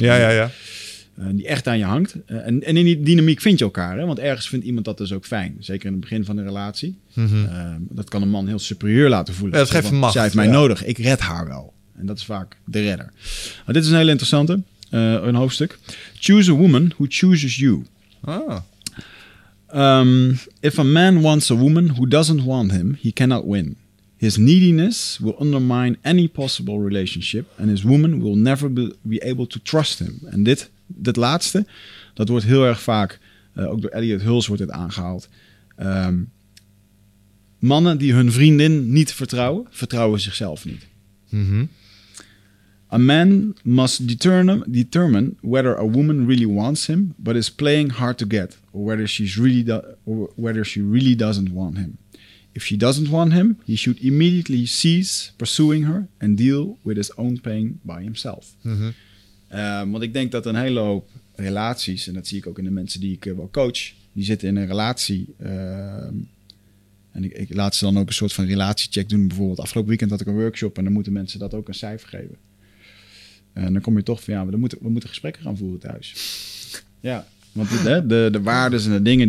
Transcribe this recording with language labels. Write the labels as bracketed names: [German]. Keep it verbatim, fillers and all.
[Dutch] Ja, ja, ja. Uh, die echt aan je hangt. Uh, en, en in die dynamiek vind je elkaar. Hè? Want ergens vindt iemand dat dus ook fijn. Zeker in het begin van de relatie. Mm-hmm. Uh, dat kan een man heel superieur laten voelen. Ja, dat geeft van, macht. Zij heeft mij ja. nodig. Ik red haar wel. En dat is vaak de redder. Maar dit is een hele interessante. Uh, een hoofdstuk. [English] Choose a woman who chooses you. Ah. Um, if a man wants a woman who doesn't want him, he cannot win. His neediness will undermine any possible relationship. And his woman will never be, be able to trust him. [Dutch] En dit... Dat laatste, dat wordt heel erg vaak, uh, ook door Elliot Hulse wordt dit aangehaald. Um, mannen die hun vriendin niet vertrouwen, vertrouwen zichzelf niet. Mm-hmm. [English] A man must determine, determine whether a woman really wants him, but is playing hard to get, or whether, she's really do- or whether she really doesn't want him. If she doesn't want him, he should immediately cease pursuing her and deal with his own pain by himself. Mm-hmm. [Dutch] Uh, want ik denk dat een hele hoop relaties... en dat zie ik ook in de mensen die ik uh, wel coach... die zitten in een relatie... Uh, en ik, ik laat ze dan ook een soort van relatiecheck doen. Bijvoorbeeld afgelopen weekend had ik een workshop... en dan moeten mensen dat ook een cijfer geven. Uh, en dan kom je toch van... ja, we moeten, we moeten gesprekken gaan voeren thuis. Ja, want dit, hè, de, de waardes en de dingen...